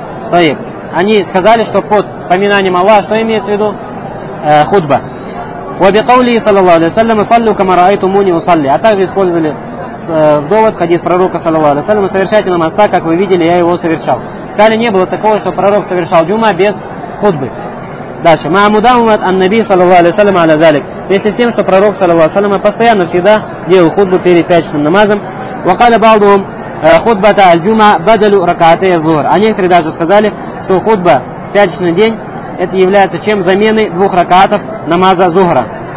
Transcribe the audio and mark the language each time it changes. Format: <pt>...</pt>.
<ru>То есть, они сказали, что под поминанием Аллаха что имеется в виду?</ru> <ar>Хутба. وَبِقَوْلِهِ صَلَى اللَّهُ عَلَيْهِ وَسَلَّمَ صَلُّوا كَمَا رَأَيْتُمُونِي أُصَلِّي.</ar> <ru>А также использовали довод, хадис пророка, саллаллаху алейхи ва саллям, совершайте намаз так, как вы видели, я его совершал. Сказали, не было такого, что пророк совершал джума без хутбы. Дальше.</ru> <ar>مَا مُدَوَّمَتْ النَّبِي صَلَى اللَّهُ عَلَيْهِ ва саллям عَلَى ذَلِكَ.</ar> <ru>Вместе с тем, что пророк, саллаллаху алейхи ва саллям, постоянно всегда делал хутбу перед пятничным намазом.</ru> <ar>وَقَالَ بَعْضُهُمْ خُطْبَةَ الْجُمَعَةِ بَدَلُ رَكَعَتَيِ الظُّهْرِ.</ar> <ru>А некоторые даже сказали, что хутба в пятничный день это является чем заменой двух ракаатов намаза зухра.</ru>